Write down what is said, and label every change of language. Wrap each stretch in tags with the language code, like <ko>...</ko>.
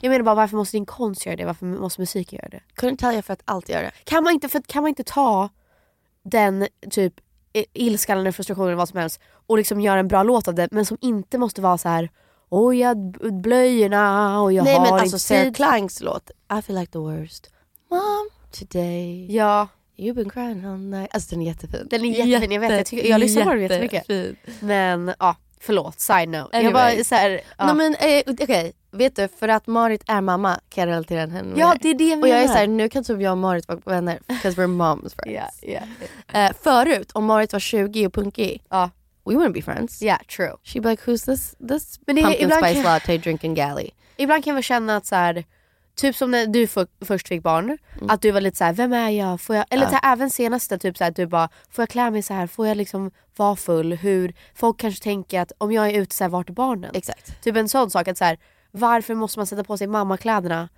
<sv>Jag menar bara, varför måste din konst göra det? Varför måste musik göra det?</sv> <en>Couldn't tell you</en> <sv>för att allt gör det. Kan man inte ta den typ... ilskan eller frustrationen eller vad som helst och liksom göra en bra låt av det, men som inte måste vara så här, oj, jag blöjorna och jag nej, har men inte alltså, tid.</sv> <en>Sarah Klangs låt, I feel like the worst mom today.</en> <sv>Ja.</sv> <en>You've been crying all night.</en> <sv>Alltså den är jättefin. Den är jättefin, jag vet. Jag lyssnar på den jättemycket. Men ja, förlåt,</sv> <en>side note.</en> <sv>Anyway. Jag bara så här, ja. Men okej. Vet du, för att Marit är mamma kan jag relatera henne. Ja, det är det vi och jag är såhär, nu kan typ jag och Marit vara vänner.</sv> <en>Because we're moms friends.</en> <sv>Förut, om Marit var 20 och punky. Ja.</sv> <en>We wouldn't be friends. Yeah, true. She'd be like, who's this pumpkin spice latte drinking galley?</en> <sv>Ibland kan jag känna att såhär, typ som när du först fick barn. Mm. Att du var lite så här, vem är jag? Får jag? Eller såhär, även senaste, typ såhär, du bara, får jag klä mig så här? Får jag liksom vara full? Hur? Folk kanske tänker att om jag är ute såhär, vart är barnen? Exakt. Typ en sån sak att såhär, varför måste man sätta på sig mammakläderna?</sv>